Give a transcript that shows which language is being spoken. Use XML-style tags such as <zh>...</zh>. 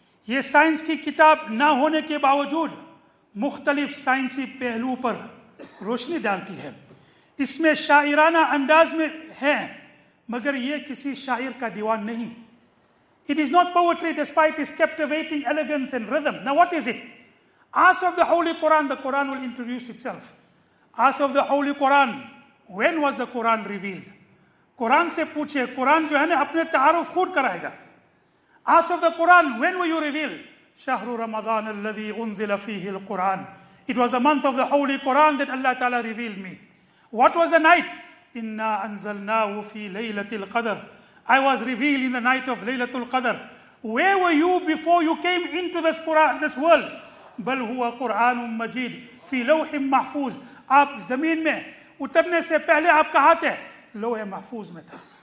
<ur>یہ سائنس کی کتاب نہ ہونے کے باوجود مختلف سائنسی پہلو پر روشنی ڈالتی ہے. اس میں شاعرانہ انداز میں ہے, مگر یہ کسی شاعر کا دیوان نہیں.</ur> <en>It is not poetry despite its captivating elegance and rhythm. Now what is it? Ask of the Holy Quran, the Quran will introduce itself. Ask of the Holy Quran, when was the Quran revealed?</en> <ur>Quran سے پوچھے, Quran جو ہے نا اپنے تعارف خود کرائے گا.</ur> <en>Ask of the Quran, when were you revealed?</en> <ar>شهر رمضان الذي انزل فيه القرآن.</ar> <en>It was the month of the Holy Quran that Allah Ta'ala revealed me. What was the night?</en> <ar>إِنَّا أَنزَلْنَاهُ فِي لَيْلَةِ الْقَدْرِ.</ar> <en>I was revealed in the night of Laylatul Qadr. Where were you before you came into this Quran, this world?</en> <ar>بَلْ هُوَ قُرْآنٌ مَجِيدٌ فِي لَوْحٍ مَحْفُوظٍ.</ar> <ur>آپ زمین میں اترنے سے پہلے آپ کا ہاتھ ہے لوح محفوظ میں تھا.</ur>